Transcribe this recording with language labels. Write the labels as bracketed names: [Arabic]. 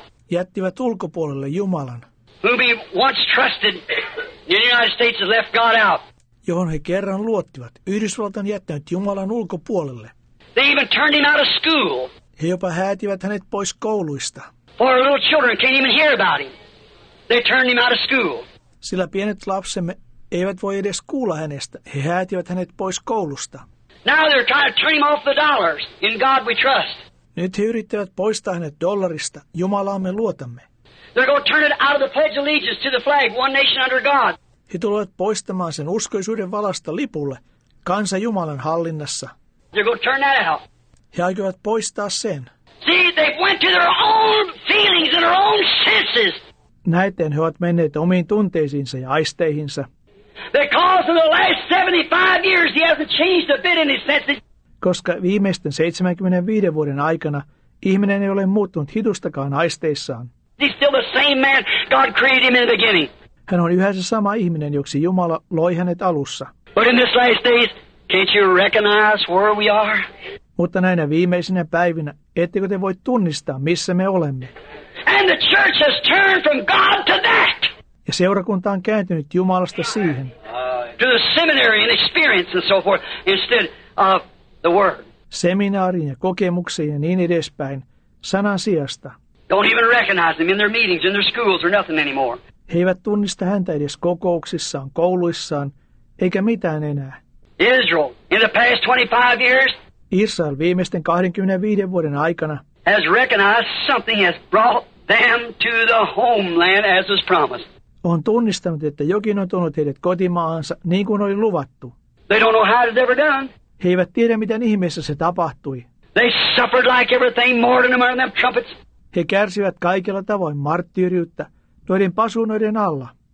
[Finnish] Jättivät ulkopuolelle Jumalan. [English] Whom he once trusted, the United States has left God out. [Finnish] Johon he kerran luottivat, Yhdysvaltain jättänyt Jumalan ulkopuolelle. [English] They even turned him out of school. [Finnish] He jopa häätivät hänet pois kouluista. [English] For our little children can't even hear about him. They turned him out of school. [Finnish] Sillä pienet lapsemme eivät voi edes kuulla hänestä. He häätivät hänet pois koulusta. [English] Now they're trying to turn him off the dollars. In God we trust. [Finnish] Nyt he yrittävät poistaa hänet dollarista. Jumalaan me luotamme. [English] They're going to turn it out of the Pledge of Allegiance to the flag, one nation under God. [Finnish] He tulevat poistamaan sen uskoisuuden valasta lipulle, kansa Jumalan hallinnassa. [English] They're going to turn that out. [Finnish] He aikovat poistaa sen. [English] See, they went to their own feelings and their own senses. [Finnish] Näiden he ovat menneet omiin tunteisiinsa ja aisteihinsa. [English] Because of the last 75 years he hasn't changed a bit in his senses. [Finnish] Koska viimeisten 75 vuoden aikana ihminen ei ole muuttunut hidustakaan aisteissaan. [English] He's still the same man God created him in the beginning. [Finnish] Hän on yhä se sama ihminen, joksi Jumala loi hänet alussa. [English] But in this last days, can't you recognize where we are? [Finnish] Mutta näinä viimeisinä päivinä, ettekö te voi tunnistaa, missä me olemme? [English] And the church has turned from God to that. [Finnish] Ja seurakunta on kääntynyt Jumalasta siihen. [English] To the seminary and experience and so forth instead of the word. [Finnish] Seminaariin ja kokemuksiin ja niin edespäin, sanan sijasta. [English] Don't even recognize them in their meetings, in their schools, or nothing anymore. [Finnish] He eivät tunnista häntä edes kokouksissaan, kouluissaan, eikä mitään enää. [English] Israel, in the past 25 years, [Finnish] Israel viimeisten 25 vuoden aikana, [English] has recognized something has brought them to the homeland as was promised. [Finnish] On tunnistanut, että jokin on tuonut heidät kotimaansa, niin kuin oli luvattu. [English] They don't know how it's ever done. [Finnish] He eivät tiedä, miten ihmeessä se tapahtui. [English] They suffered like everything, mortar among them trumpets. [Finnish] He kärsivät kaikilla tavoin marttyyriyttä noiden pasunoiden alla.